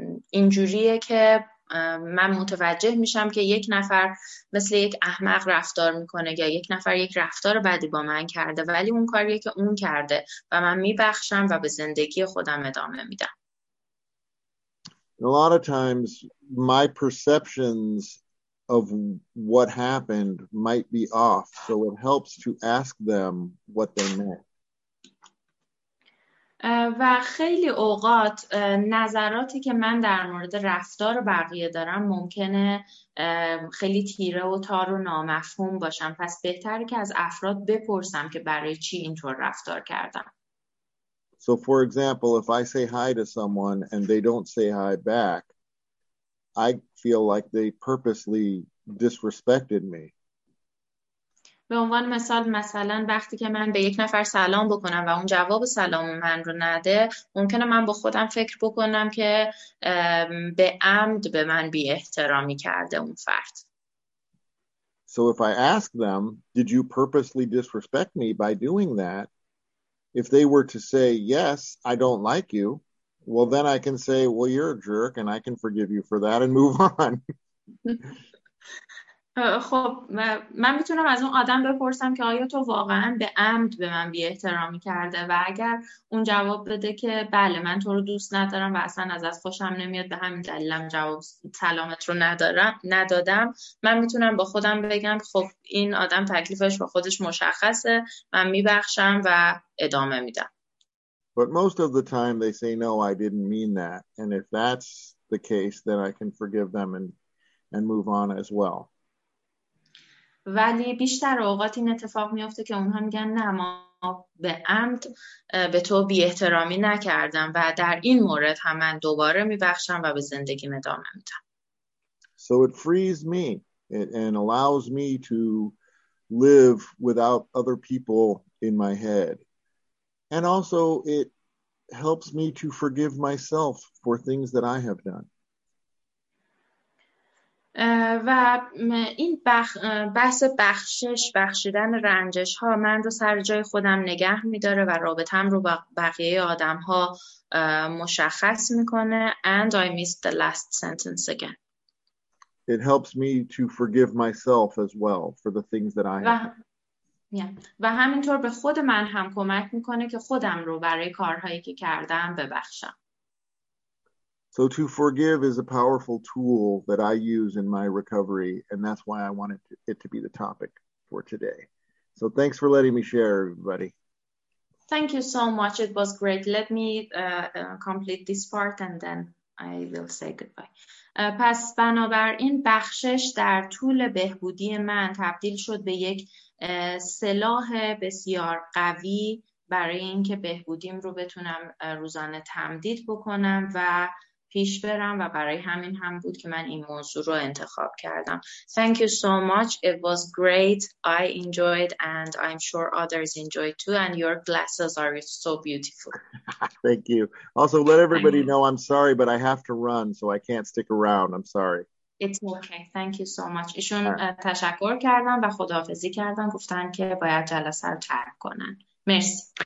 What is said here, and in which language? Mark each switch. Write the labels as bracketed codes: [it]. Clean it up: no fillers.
[fa] اینجوریه که من متوجه میشم که یک نفر مثل یک احمق رفتار میکنه یا یک نفر یک رفتار بدی با من کرده، ولی اون کاریه که اون کرده و من میبخشم و به زندگی خودم ادامه میدم. [en] A lot of times my perceptions of what happened might be off, so it helps to ask them what they meant. [fa] و خیلی اوقات نظراتی که من در مورد رفتار بقیه دارم ممکنه خیلی تیره و تار و نامفهوم باشم، پس بهتره که از افراد بپرسم که برای چی اینطور رفتار کردم. [en] So for example, if I say hi to someone and they don't say hi back, I feel like they purposely disrespected me. [fa] به عنوان مثال، مثلا وقتی که من به یک نفر سلام بکنم و اون جواب سلام من رو نده، ممکنه من با خودم فکر بکنم که به عمد به من بی احترامی کرده اون فرد. [en] So if I ask them, did you purposely disrespect me by doing that? If they were to say, yes, I don't like you, well, then I can say, well, you're a jerk and I can forgive you for that and move on. [fa] خب من میتونم از اون آدم بپرسم که آیا تو واقعا به عمد به من بی احترامی کرده، و اگر اون جواب بده که بله من تو رو دوست ندارم و اصلا از خوشم نمیاد، به همین دلیلم جواب سلامت رو ندادم، من میتونم با خودم بگم خب این آدم تکلیفش با خودش مشخصه، من میبخشم و ادامه میدم. [en] But most of the time they say no, I didn't mean that, and if that's the case, then I can forgive them and move on as well. [fa] ولی بیشتر اوقات این اتفاق میفته که اونها میگن نه ما به عمد به تو بی احترامی نکردم و در این مورد هم من دوباره میبخشم و به زندگی ادامه میدم. [en] So it frees me and allows me to live without other people in my head. And also it helps me to forgive myself for things that I have done. [fa] و این بحث بخشش بخشیدن رنجش ها من رو سر جای خودم نگه میداره و رابطم رو با بقیه آدم ها مشخص میکنه. [en] And I missed the last sentence again. It helps me to forgive myself as well for the things that I have done. Yeah. [fa] و همینطور به خود من هم کمک میکنه که خودم رو برای کارهایی که کردم ببخشم. [en] So to forgive is a powerful tool that I use in my recovery, and that's why I wanted it to be the topic for today. So thanks for letting me share, everybody. Thank you so much. It was great. Let me complete this part, and then I will say goodbye. [fa] پس بنابراین بخشش در طول بهبودی من تبدیل شد به یک سلاح بسیار قوی برای اینکه بهبودیم رو بتونم روزانه تمدید بکنم و پیش برم و برای همین هم بود که من این موضوع رو انتخاب کردم. [en] Thank you so much. It was great. I enjoyed and I'm sure others enjoyed too. And your glasses are so beautiful. Thank you. Also, let everybody know I'm sorry, but I have to run, so I can't stick around. I'm sorry. It's okay. Thank you so much. [fa] ایشون تشکر کردن و خداحافظی کردن. گفتن که باید جلسه رو ترک کنن. مرسی.